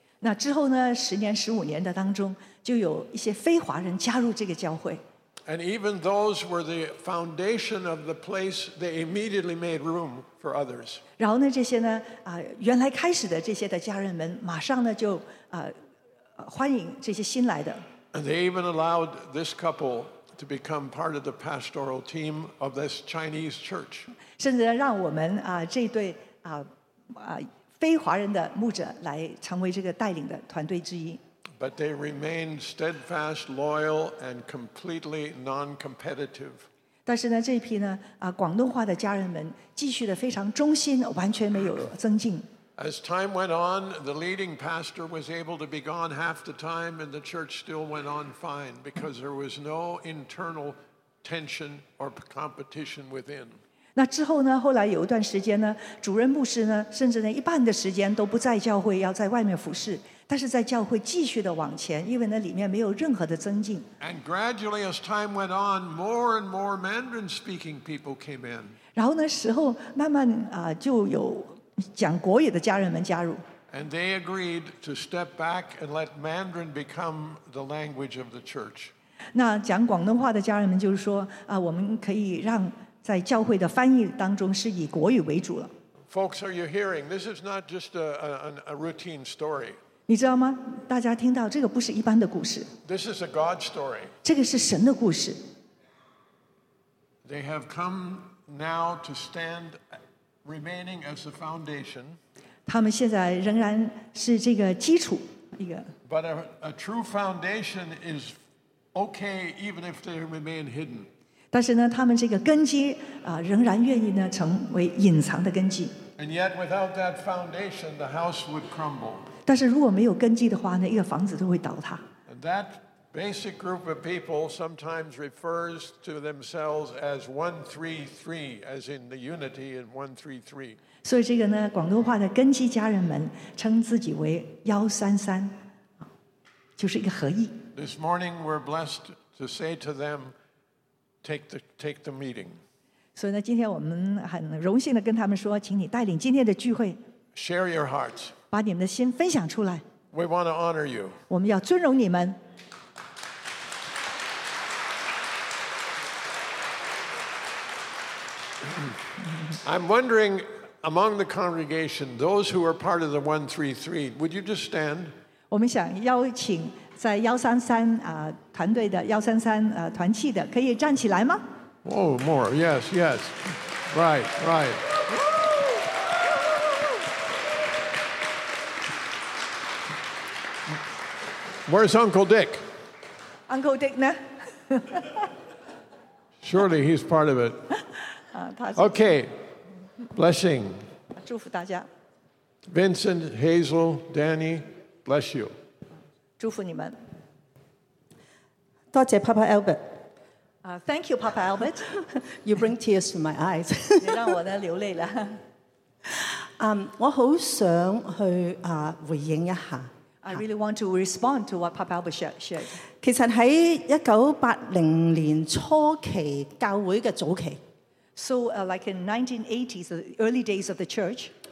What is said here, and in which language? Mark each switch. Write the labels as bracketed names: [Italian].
[Chinese] 那之后呢，十年、十五年的当中，就有一些非华人加入这个教会。 [English] And even those were the foundation of the place, they immediately made room for others. [Chinese] 然后呢，这些呢，原来开始的这些的家人们，马上呢就欢迎这些新来的。 [English] And they even allowed this couple to become part of the pastoral team of this Chinese church. [Chinese] 甚至让我们这对非华人的牧者来成为这个带领的团队之一。 [English] But they remained steadfast, loyal, and completely non-competitive. [Chinese] 但是呢，这一批呢，广东话的家人们继续的非常忠心，完全没有增进。 [English] As time went on, the leading pastor was able to be gone half the time, and the church still went on fine because there was no internal tension or competition within. [Chinese] 那之后呢？后来有一段时间呢，主任牧师呢，甚至呢一半的时间都不在教会，要在外面服事。但是在教会继续的往前，因为那里面没有任何的增进。 [English] And gradually, as time went on, more and more Mandarin-speaking people came in. [Chinese] 然后呢，时候慢慢就有讲国语的家人们加入。 [English] And they agreed to step back and let Mandarin become the language of the church. [Chinese] 那讲广东话的家人们就是说我们可以让在教会的翻译当中是以国语为主了。 [English] Folks, are you hearing? This is not just a routine story. [Chinese] 你知道吗？大家听到这个不是一般的故事。 [English] This is a God story. [Chinese] 这个是神的故事。 [English] They have come now to stand. Remaining as the foundation, [Chinese] 他们现在仍然是这个基础一个。 [English] But a true foundation is okay even if they remain hidden. [Chinese] 但是呢，他们这个根基仍然愿意呢成为隐藏的根基。 [English] And yet without that foundation, the house would crumble. [Chinese] 但是如果没有根基的话呢，一个房子都会倒塌。 [English] And that basic group of people sometimes refers to themselves as 133, as in the unity in 133. [Chinese] 所以这个呢，广东话的根基家人们称自己为133，就是一个合一。 [English] This morning we're blessed to say to them, take the meeting. [Chinese] 所以呢，今天我们很荣幸的跟他们说，请你带领今天的聚会。 [English] Share your hearts. [Chinese] 把你们的心分享出来。 [English] We want to honor you. [Chinese] 我们要尊荣你们。 [English] I'm wondering among the congregation, those who are part of the 133, would you just stand? 我们想邀请在133团队的133团契的，可以站起来吗？ Oh, more, yes, yes. Right, right. Where's Uncle Dick? [Chinese] Uncle Dick 呢？ [English] Surely he's part of it. Okay. Blessing. [Chinese] 祝福大家。 [English] Vincent, Hazel, Danny, bless you. [Chinese] 祝福你们。多谢 Papa Albert. [English] Thank you, Papa Albert. You bring tears to my eyes. [Chinese] 你让我呢流泪了。我好想去回应一下。 [English] I really want to respond to what Papa Albert shared. [Chinese] 其实在1980年初期教会的早期。 [English] So, like in 1980s, the early days of the church,